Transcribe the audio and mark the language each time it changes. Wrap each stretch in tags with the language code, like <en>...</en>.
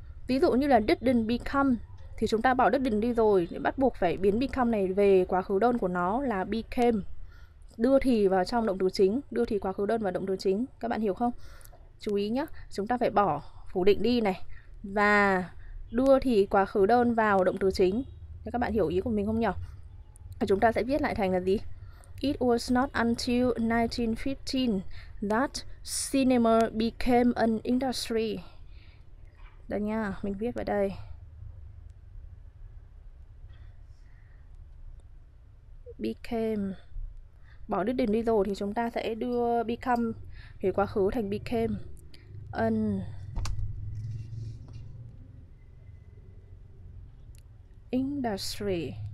<vi>Ví dụ như là didn't become thì chúng ta bỏ didn't đi rồi, thì bắt buộc phải biến become này về quá khứ đơn của nó là became. Đưa thì vào trong động từ chính, đưa thì quá khứ đơn vào động từ chính. Các bạn hiểu không? Chú ý nhé, chúng ta phải bỏ phủ định đi này và đưa thì quá khứ đơn vào động từ chính. Các bạn hiểu ý của mình không nhỉ? Chúng ta sẽ viết lại thành là gì?</vi> <en>It was not until 1915 that cinema became an industry.</en> <vi>Đây nha, mình viết vào đây. Became. Bỏ didn't đi rồi thì chúng ta sẽ đưa become thì quá khứ thành</vi> <en>became an industry.</en>